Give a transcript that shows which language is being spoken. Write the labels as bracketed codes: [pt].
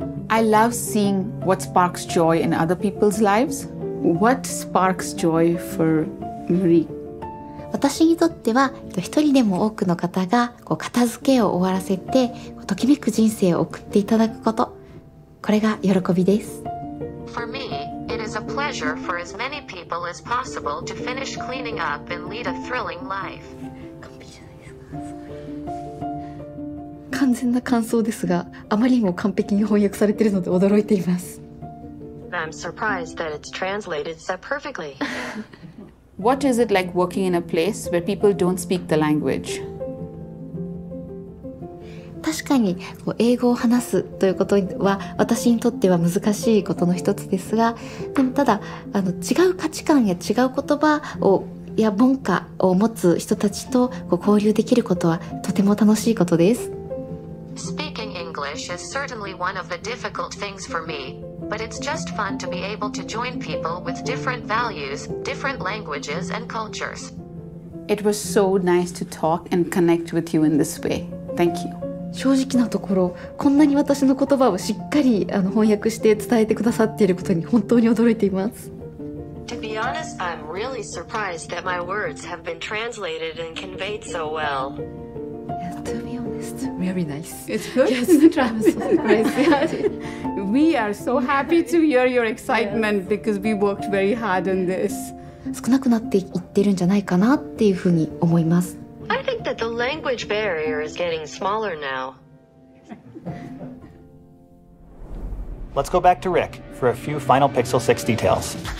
[en] I love seeing what sparks joy in other people's lives. What sparks joy for Marie? [ja] 私にとっては一人でも多くの方がこう片付けを終わらせてこうときめく人生を送っていただくこと、これが喜びです。 [en] For me, it is a pleasure for as many people as possible to finish cleaning up and lead a thrilling life. [ja] 完全な感想ですが、あまりにも完璧に翻訳されているので驚いています。 [en] I'm surprised that it's translated so perfectly. What is it like working in a place where people don't speak the language? [ja] 確かに英語を話すということは私にとっては難しいことの一つですが、でもただ違う価値観や違う言葉をや文化を持つ人たちと交流できることはとても楽しいことです。 [en] Speaking English is certainly one of the difficult things for me. But it's just fun to be able to join people with different values, different languages and cultures. It was so nice to talk and connect with you in this way. Thank you. [ja] 正直なところ、こんなに私の言葉をしっかり翻訳して伝えてくださっていることに本当に驚いています。 [en] To be honest, I'm really surprised that my words have been translated and conveyed so well. Yeah, to be honest, very nice. It's good. Yes, I'm so surprised. We are so happy to hear your excitement because we worked very hard on this. [ja] 少なくなっていってるんじゃないかなっていうふうに思います。 [en] I think that the language barrier is getting smaller now. Let's go back to Rick for a few final Pixel 6 details.